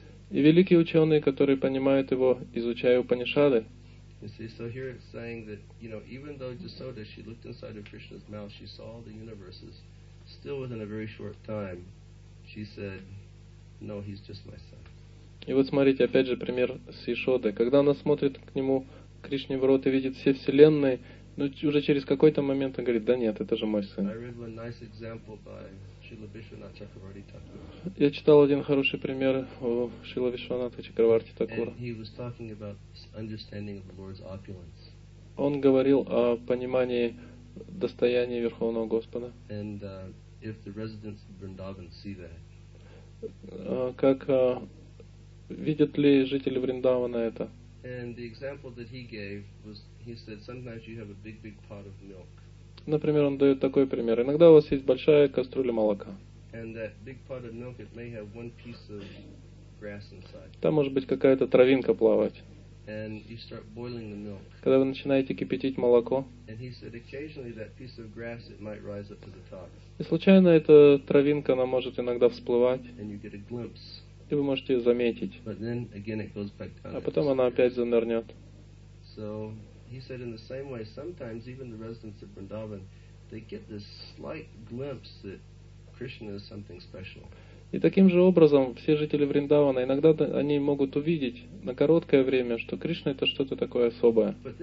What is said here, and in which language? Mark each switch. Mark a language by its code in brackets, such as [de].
[ru] И великие ученые, которые понимают его, изучая Упанишады. [en] So here it's saying that, you know, even though Yashoda, she looked inside of Krishna's mouth, she saw the universes, still within a very short time, she said, no, he's just my son. [ru] И вот смотрите, опять же, пример с Яшодой. Когда она смотрит к нему, Кришне в рот, и видит все вселенные, но уже через какой-то момент она говорит: да нет, это же мой сын. [en] I read one nice example by Srila Vishwanath Chakravarti Thakur. [ru] Я читал один хороший пример у Шрила Вишванатха Чакраварти Такура. [en] He was talking about understanding of the Lord's opulence. [ru] Он говорил о понимании достояния Верховного Господа. [en] And if the residents of Vrindavan see that. [ru] Как видят ли жители Вриндавана это? [en] And the example that he gave was, he said, sometimes you have a big, big pot of milk. [ru] Например, он дает такой пример. Иногда у вас есть большая кастрюля молока. [en] Milk, [ru] там может быть какая-то травинка плавать. [en] And you start boiling the milk. [ru] Когда вы начинаете кипятить молоко, [en] and he said, occasionally that piece of grass, it might rise up to the top. [ru] И случайно эта травинка, она может иногда всплывать, [en] and you get a glimpse. [ru] И вы можете ее заметить. [en] But then again it goes back down. [ru] А потом она опять занырнет. [en] So he said, in the same way, sometimes even the residents of Vrindavan, they get this slight glimpse that Krishna is something special. [ru] И таким же образом все жители Вриндавана иногда они могут увидеть на короткое время, что Кришна это что-то такое особое.